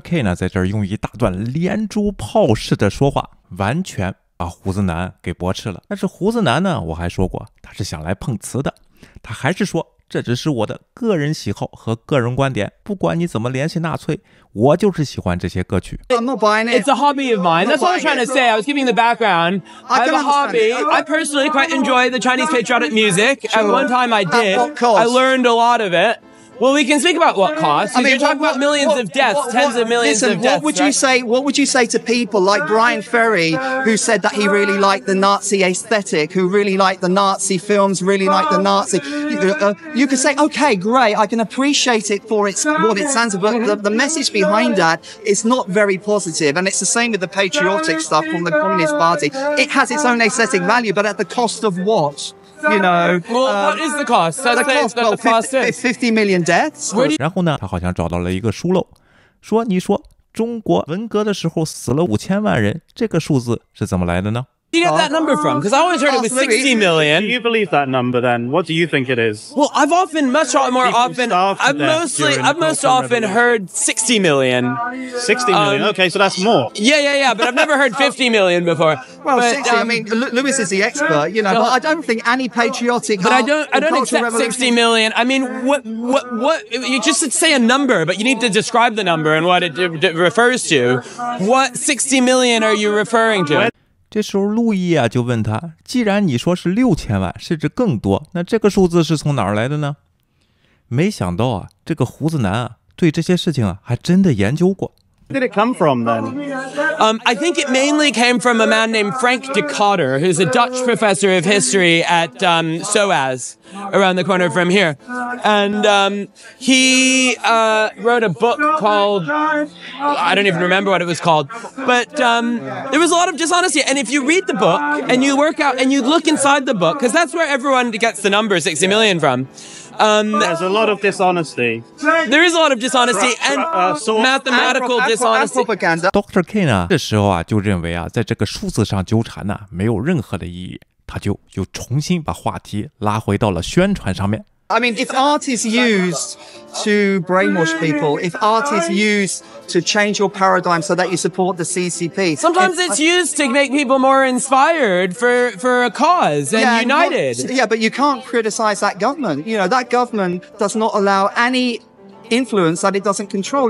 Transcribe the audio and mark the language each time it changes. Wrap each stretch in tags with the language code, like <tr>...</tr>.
<zh>K 呢，在这儿用一大段连珠炮式的说话，完全把胡子男给驳斥了。但是胡子男呢，我还说过他是想来碰瓷的，他还是说这只是我的个人喜好和个人观点，不管你怎么联系纳粹，我就是喜欢这些歌曲。</zh> <en>I'm not buying it. It's a hobby of mine. That's what I was trying to say. I was giving the background. I have a hobby. I personally quite enjoy the Chinese patriotic music. At one time I did. I learned a lot of it. Well, we can speak about what cost. I mean, you talk about millions of deaths, tens of millions of deaths. What would you say to people like Brian Ferry, who said that he really liked the Nazi aesthetic, who really liked the Nazi films, really liked the Nazi? You could say, okay, great, I can appreciate it for what it stands for, but the message behind that is not very positive. And it's the same with the patriotic stuff from the Communist Party. It has its own aesthetic value, but at the cost of what? 50 million deaths.</en> <zh>然后呢，他好像找到了一个疏漏，说：“你说中国文革的时候死了5000万人，这个数字是怎么来的呢？”</zh> <en>Do you get that number from? Because I always heard it was 60 million. Do you believe that number then? What do you think it is? Well, I've often, heard 60 million. 60 million? Okay, so that's more. Yeah. But I've never heard 50 million before. Well, but, 60, I mean, Lewis is the expert, you know, but I don't think any patriotic. But I don't accept 60 million. I mean, what, you just say a number, but you need to describe the number and what it refers to. What 60 million are you referring to?</en> <zh>这时候路易啊就问他，既然你说是六千万甚至更多，那这个数字是从哪儿来的呢？没想到啊，这个胡子男啊对这些事情啊还真的研究过。</zh> <en>Did it come from then? I think it mainly came from a man named Frank de Cotter, who's a Dutch professor of history at SOAS, around the corner from here. And he wrote a book called, I don't even remember what it was called, but there was a lot of dishonesty. And if you read the book and you work out and you look inside the book, because that's where everyone gets the number 60 million from, there's a lot of dishonesty. There is a lot of dishonesty and mathematical dishonesty. Dr.</en> <zh>K 呢，这时候啊就认为啊，在这个数字上纠缠呢没有任何的意义，他就又重新把话题拉回到了宣传上面。</zh> <en>I mean, if art is used to brainwash people, if art is used to change your paradigm so that you support the CCP. Sometimes it's used to make people more inspired for a cause and united. Yeah, but you can't criticize that government. You know, that government does not allow any influence that it doesn't control.</en>